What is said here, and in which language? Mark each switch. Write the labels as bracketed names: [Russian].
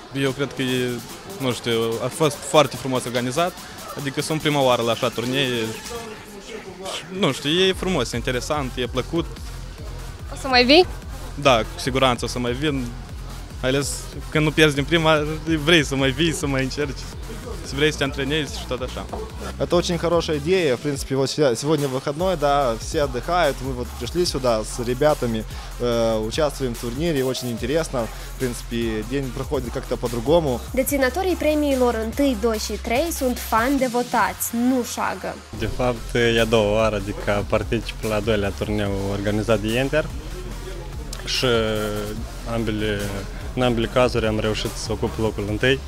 [Romanian] Eu cred că e, nu știu, a fost foarte frumos organizat, adică sunt prima oară la așa turnee. Nu știu, e frumos, e interesant, e plăcut. O să mai vii? Da, cu siguranță o să mai vin. Mai ales când nu pierzi din prima, vrei să mai vii, să mai încerci. Vrei să te antrenezi și tot așa. [Russian] Это очень хорошая идея. В принципе, вот сегодня выходной, да, все отдыхают. Мы вот пришли сюда с ребятами, участвуем в турнире. Очень интересно. В принципе, день проходит как-то по-другому. [Romanian] Деținătorii premiilor 1, 2 și 3 sunt fani devotați, nu șagă. De fapt, я două ori, adică particip la doilea turneu organizat de Enter. Și ambele... În ambele cazuri am reușit să ocup locul întâi.